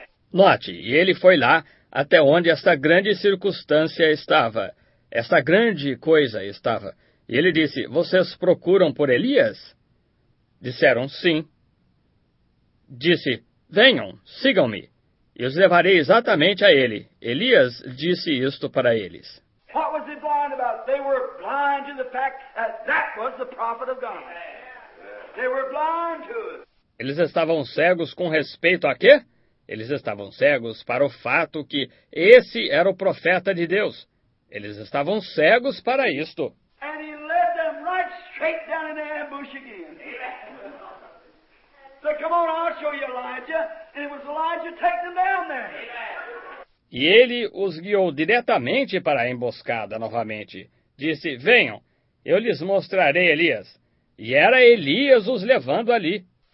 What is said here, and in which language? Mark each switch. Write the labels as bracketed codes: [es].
[pt] Note, e ele foi lá até onde esta grande circunstância estava, esta grande coisa estava. E ele disse, vocês procuram por Elias? Disseram, sim. Disse, venham, sigam-me. E os levarei exatamente a ele. Elias disse isto para eles. [en] What was he blind about? They were blind to the fact that that was the prophet of God. They were blind to it. [pt] Eles estavam cegos com respeito a quê? Eles estavam cegos para o fato que esse era o profeta de Deus. Eles estavam cegos para isto. [en] And he led them right straight down in the ambush again. So come on, I'll show you Elijah. And it was Elijah taking them down there. [pt] E ele os guiou diretamente para a emboscada novamente. Disse, venham, eu lhes mostrarei Elias. E era Elias os levando ali.